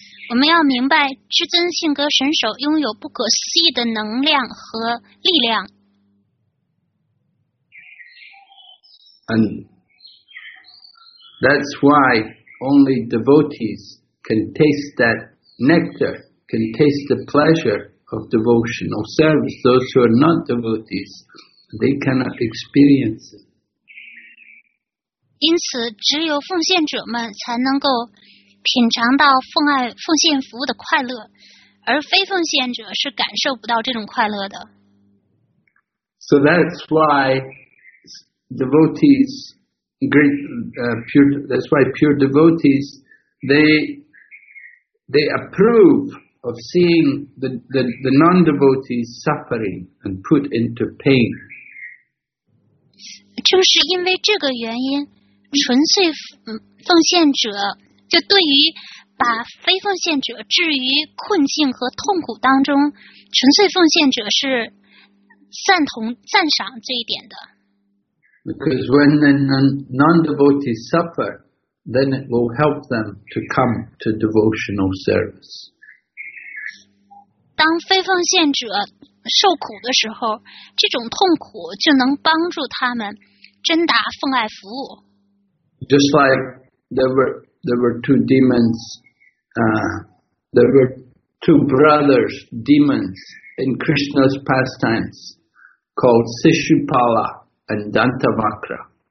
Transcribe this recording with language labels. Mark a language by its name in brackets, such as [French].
[Chinese] 我们要明白，至尊性格神手拥有不可思议的能量和力量。 [English] And that's why only devotees can taste that nectar, can taste the pleasure of devotional service. Those who are not devotees, they cannot experience it. [Chinese] 因此，只有奉献者们才能够品尝到奉献服务的快乐，而非奉献者是感受不到这种快乐的。 [English] So that's why devotees, pure devotees, they approve of seeing the non-devotees suffering and put into pain. [Chinese] 正是因为这个原因。纯粹奉献者就对于把非奉献者置于困境和痛苦当中，纯粹奉献者是赞赏这一点的。 [English] Because when the non-devotees suffer, then it will help them to come to devotional service. [Chinese] 当非奉献者受苦的时候，这种痛苦就能帮助他们真达奉爱服务。 [English] Just like there were two demons, there were two brothers, demons in Krishna's pastimes called Sishupala and Dantavakra.